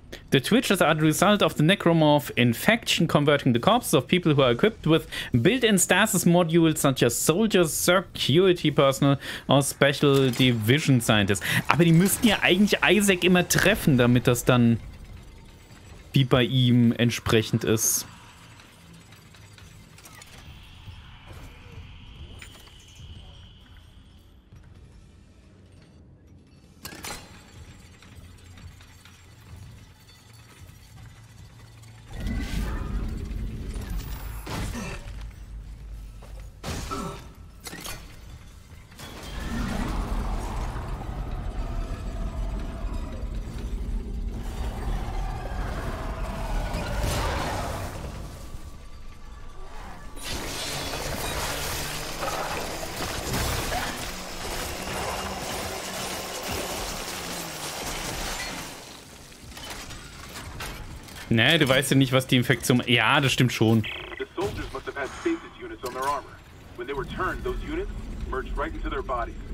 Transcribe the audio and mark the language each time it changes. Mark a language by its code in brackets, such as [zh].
[en] The twitches are the result of the necromorph infection converting the corpses of people who are equipped with built-in stasis modules such as soldiers, security personnel or special division scientists. [de] Aber die müssten ja eigentlich Isaac immer treffen, damit das dann wie bei ihm entsprechend ist. Ne, du weißt ja nicht, was die Infektion... Ja, das stimmt schon. [en] The soldiers must have had stasis units on their armor. When they were turned, those units merged right into their bodies.